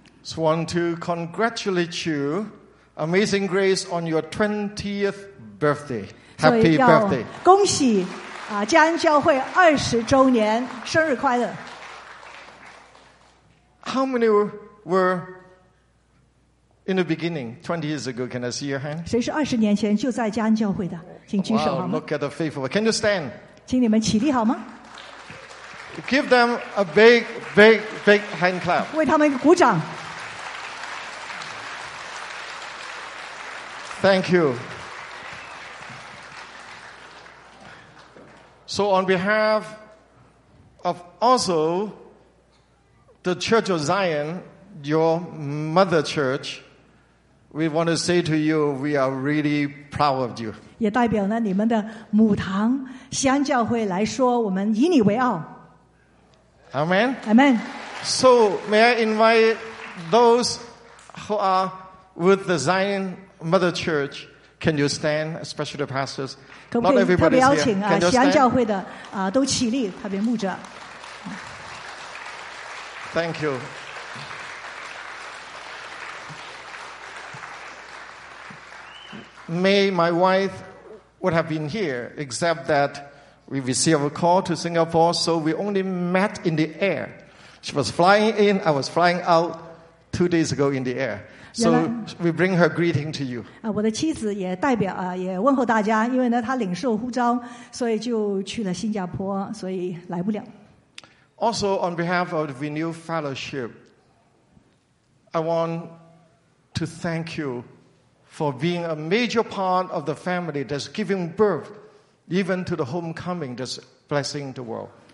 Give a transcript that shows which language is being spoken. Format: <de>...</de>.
<en>So I want to congratulate you, Amazing Grace, on your 20th birthday. Happy birthday.</en> <zh>恭喜嘉恩教会20周年，生日快乐。</zh> <en>How many were in the beginning, 20 years ago? Can I see your hand?</en> <zh>谁是20年前就在嘉恩教会的? 请举手好吗?</zh> <en>Wow, look at the faithful. Can you stand?</en> <zh>请你们起立好吗?</zh> <en>Give them a big, big, big hand clap.</en> <zh>为他们鼓掌。</zh> <en>Thank you. So on behalf of also the Church of Zion, your mother church, we want to say to you, we are really proud of you.</en> <zh>也代表了你们的母堂，锡安教会来说，我们以你为傲。</zh> <en>Amen. Amen. So may I invite those who are with the Zion Mother Church, can you stand, especially the pastors? Not everybody is here.</en> <zh>锡安教会的都起立，特别牧者。</zh> <en>Thank you. May my wife would have been here, except that we received a call to Singapore, so we only met in the air. She was flying in, I was flying out 2 days ago in the air. So we bring her greeting to you.</en> <zh>我的妻子也代表，也问候大家，因为呢，她领受呼召，所以就去了新加坡，所以来不了。</zh> <en>Also, on behalf of the Renew Fellowship, I want to thank you for being a major part of the family that's giving birth even to the homecoming that's blessing the world.</en>